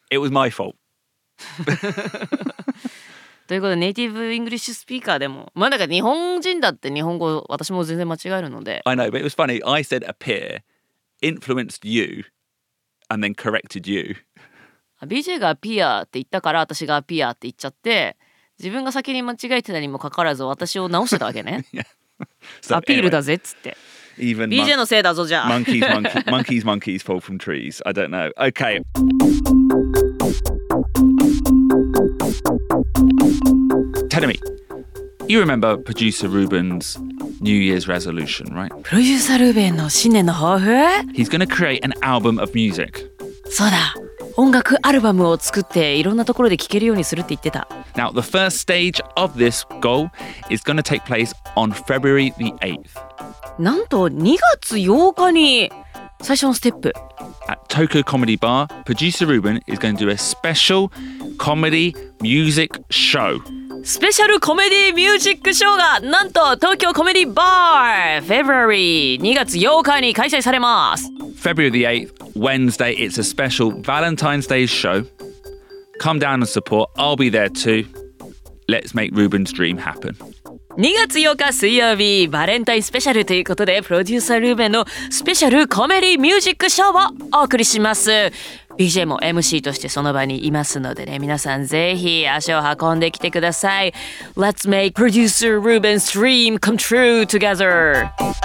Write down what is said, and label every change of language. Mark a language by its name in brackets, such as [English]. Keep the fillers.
[English] it was my fault [Japanese] ということでネイティブイングリッシュスピーカーでもまあなんか日本人だって日本語私も全然間違えるので [English] I know but it was funny I said appear influenced you and then corrected you [Japanese] BJ が appear って言ったから私が appear って言っちゃって自分が先に間違えてたにもかかわらず私を直してたわけね [English] so, [Japanese] アピールだぜっつって BJ のせいだぞじゃあ [English] monkeys monkeys, monkeys monkeys fall from trees I don't know OK Tell me, you remember producer Ruben's New Year's resolution, right? Producer Ruben's New Year's He's going to create an album of music. So that. [Japanese] 音楽アルバムを作っていろんなところで聴けるようにするって言ってた。 [English] Now, the first stage of this goal is going to take place on February the 8th. [Japanese] なんと2月8日に最初のステップ。 [English] at Toko Comedy Bar, producer Ruben is going to do a special comedy music show. Special comedy [Japanese] スペシャルコメディミュージックショーがなんと東京コメディバー February 2月8日に開催されます [English] February the 8th Wednesday It's a special Valentine's Day show Come down and support I'll be there too Let's make Ruben's dream happen [Japanese] 2月8日水曜日バレンタインスペシャルということでプロデューサールーベンのスペシャルコメディミュージックショーをお送りします BJ も MC としてその場にいますのでね皆さんぜひ足を運んできてください [English] Let's make producer Ruben's dream come true together